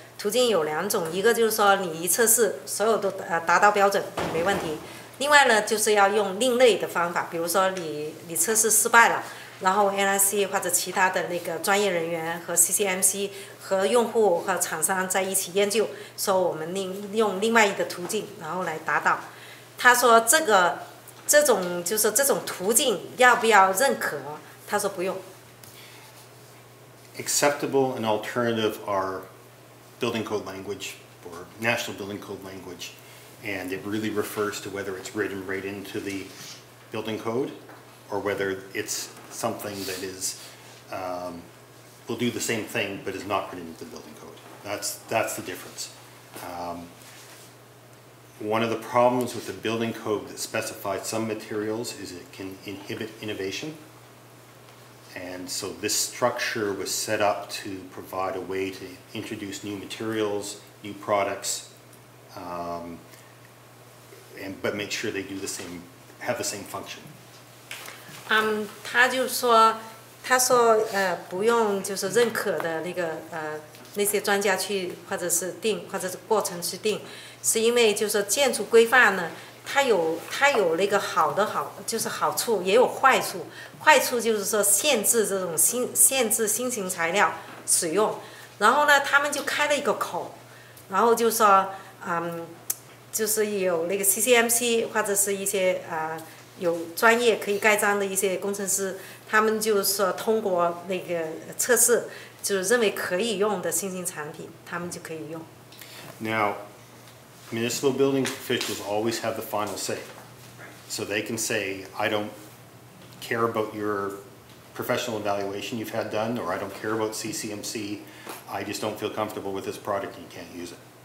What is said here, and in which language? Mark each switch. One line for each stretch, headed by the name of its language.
Chinese: 途径有两种，一个就是说你一测试所有都达到标准没问题，另外呢就是要用另类的方法，比如说你测试失败了，然后 NRC 或者其他的那个专业人员和 CCMC 和用户和厂商在一起研究，说我们用另外一个途径然后来达到。他说这种途径要不要认可，他说不用。
English: Acceptable and alternative areBuilding code language or national building code language, and it really refers to whether it's written right into the building code or whether it's something that is will do the same thing but is not written into the building code. That's the difference. One of the problems with the building code that specifies some materials is it can inhibit innovation. And so this structure was set up to provide a way to introduce new materials, new products, but make sure they have the same function.
Chinese: 他就说，他说不用就是认可的那个那些专家去或者是定或者是过程去定，是因为就是建筑规范呢。它有那个就是好处也有坏处，坏处就是说限制新型材料使用，然后呢他们就开了一个口，然后就说就是有那个 CCMC 或者是一些有专业可以盖章的一些工程师，他们就说通过那个测试就是认为可以用的新型产品他们就可以用。
English: Now,Municipal building officials always have the final say. So they can say, I don't care about your professional evaluation you've had done, or I don't care about CCMC, I just don't feel comfortable with this product and you can't use it?